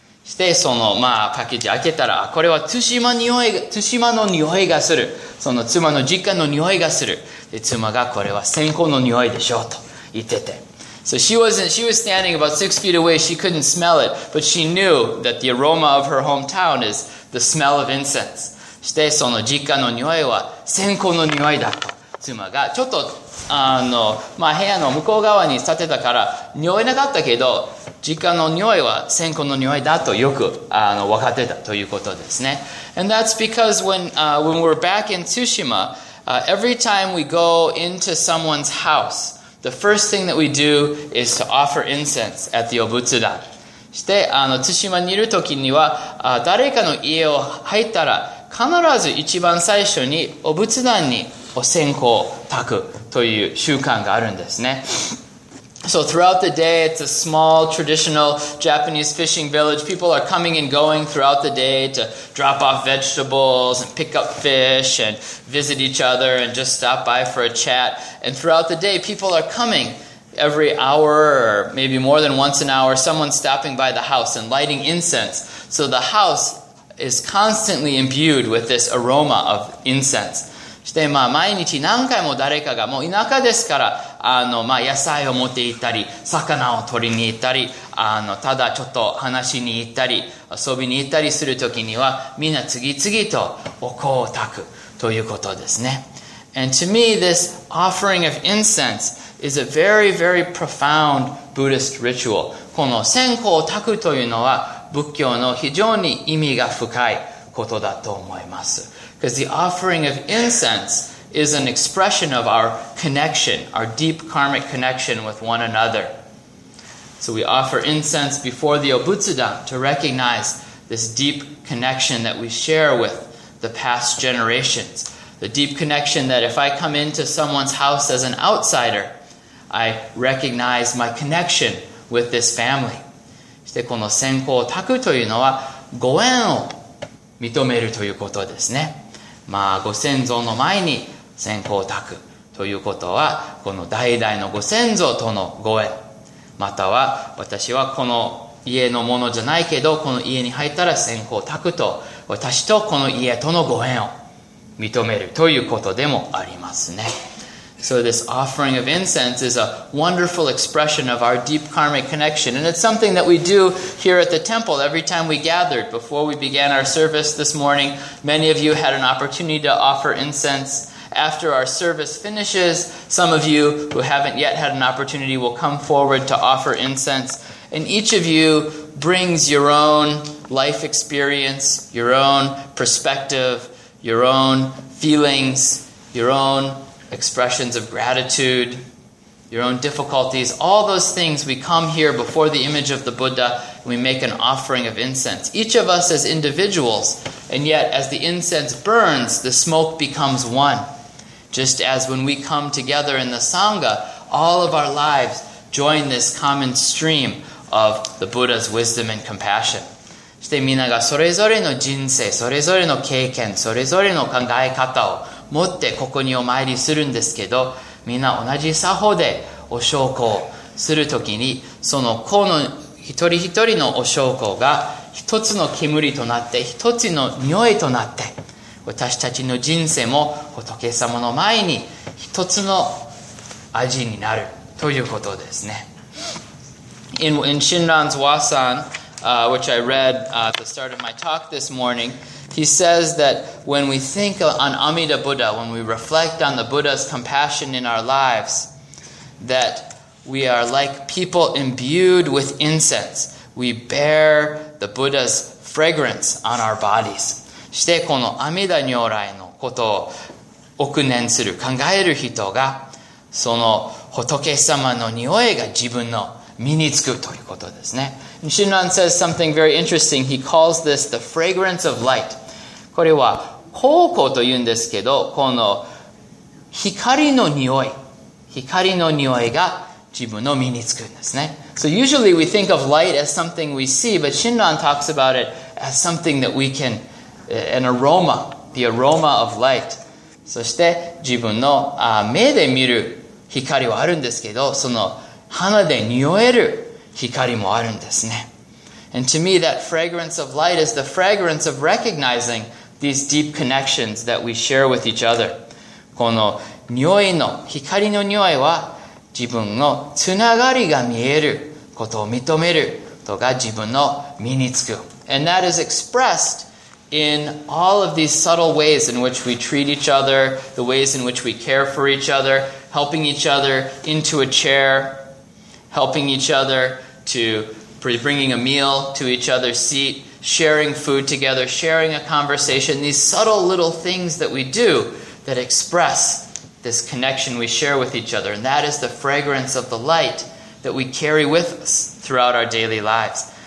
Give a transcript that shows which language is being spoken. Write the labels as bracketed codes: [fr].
[ja] して、その、まあ、パッケージ開けたら、これは、津島の匂いがする。その、妻の実家の匂いがする。で、妻が、これは、線香の匂いでしょう、と言ってて。 [en] So she was standing about 6 feet away, she couldn't smell it, but she knew that the aroma of her hometown is the smell of incense. [ja] して、その実家の匂いは、線香の匂いだと。妻が、ちょっと、まあ、部屋の向こう側に立てたから、匂いなかったけど、実家の匂いは線香の匂いだとよく分かってたということですね。 [en] And that's because when we're back in Tsushima, every time we go into someone's house, the first thing that we do is to offer incense at the obutsudan. [ja] して、Tsushimaにいるときには、誰かの家を入ったら、必ず一番最初にお仏壇にお線香を炊くという習慣があるんですね。 [en] So throughout the day, it's a small traditional Japanese fishing village. People are coming and going throughout the day to drop off vegetables and pick up fish and visit each other and just stop by for a chat. And throughout the day, people are coming every hour or maybe more than once an hour, someone stopping by the house and lighting incense. So the house is constantly imbued with this aroma of incense. [ja] して、まあ、毎日何回も誰かが、もう田舎ですから、まあ、野菜を持って行ったり、魚を取りに行ったり、ただちょっと話しに行ったり、遊びに行ったりするときには、みんな次々とお香を炊くということですね。 [en] And to me, this offering of incense is a very, very profound Buddhist ritual. [ja] この線香を炊くというのは、仏教の非常に意味が深いことだと思います。 [en] Because the offering of incense is an expression of our connection, our deep karmic connection with one another. So we offer incense before the obutsudan to recognize this deep connection that we share with the past generations. The deep connection that if I come into someone's house as an outsider, I recognize my connection with this family. [ja] そしてこの線香を炊くというのはご縁を認めるということですね。まあ、ご先祖の前に線香を炊くということは、この代々のご先祖とのご縁。または、私はこの家のものじゃないけど、この家に入ったら線香を炊くと、私とこの家とのご縁を認めるということでもありますね。 [en] So this offering of incense is a wonderful expression of our deep karmic connection. And it's something that we do here at the temple every time we gathered. Before we began our service this morning, many of you had an opportunity to offer incense. After our service finishes, some of you who haven't yet had an opportunity will come forward to offer incense. And each of you brings your own life experience, your own perspective, your own feelings, your own expressions of gratitude, your own difficulties, all those things, we come here before the image of the Buddha and we make an offering of incense. Each of us as individuals, and yet as the incense burns, the smoke becomes one. Just as when we come together in the Sangha, all of our lives join this common stream of the Buddha's wisdom and compassion. [ja] そしてみんながそれぞれの人生、それぞれの経験、それぞれの考え方を持ってここにお参りするんですけど、みんな同じ作法でお焼香をするときに、その香の一人一人のお焼香が一つの煙となって、一つの匂いとなって、私たちの人生も仏様の前に一つの味になるということですね。 [en] In Shinran's Wasan, which I read at the start of my talk this morning,He says that when we think on Amida Buddha, when we reflect on the Buddha's compassion in our lives, that we are like people imbued with incense. We bear the Buddha's fragrance on our bodies. [ja] そしてこの阿弥陀如来のことを憶念する、考える人がその仏様の匂いが自分の身につくということですね。 [en] Shinran says something very interesting. He calls this the fragrance of light. [ja] これは光香というんですけど、この光の匂い、光の匂いが自分の身につくんですね。 [en] So usually we think of light as something we see, but Shinran talks about it as something that we can, an aroma, the aroma of light. [ja] そして自分の目で見る光はあるんですけど、その鼻で匂える光もあるんですね。 [en] And to me, that fragrance of light is the fragrance of recognizing these deep connections that we share with each other. [ja] この匂いの、光の匂いは自分のつながりが見えることを認めるとか自分の身につく。 [en] And that is expressed in all of these subtle ways in which we treat each other, the ways in which we care for each other, helping each other into a chair, helping each other to bringing a meal to each other's seat, sharing food together, sharing a conversation, these subtle little things that we do that express this connection we share with each other. And that is the fragrance of the light that we carry with us throughout our daily lives.